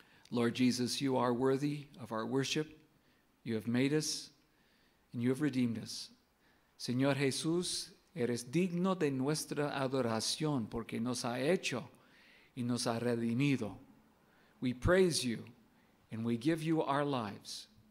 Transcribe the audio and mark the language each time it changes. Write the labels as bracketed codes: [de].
[en] Lord Jesus, you are worthy of our worship. You have made us, and you have redeemed us. [es] Señor Jesús, eres digno de nuestra adoración porque nos ha hecho y nos ha redimido. [en] We praise you, and we give you our lives.